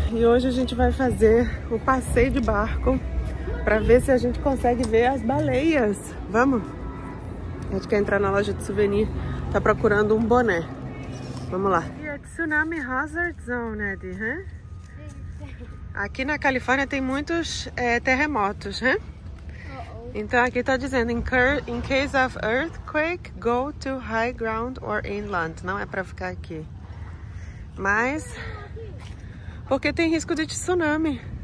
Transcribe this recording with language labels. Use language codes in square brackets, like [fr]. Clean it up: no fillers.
[pt] E hoje a gente vai fazer o passeio de barco para ver se a gente consegue ver as baleias. Vamos? A gente quer entrar na loja de souvenir, tá procurando um boné. Vamos lá. E é [en] tsunami hazard zone, [pt] Eddie, hein? Sim. Aqui na Califórnia tem muitos terremotos, hein? Uh-oh. Então aqui tá dizendo, [en] in case of earthquake, go to high ground or inland. [pt] Não é pra ficar aqui. Mas... porque tem risco de tsunami.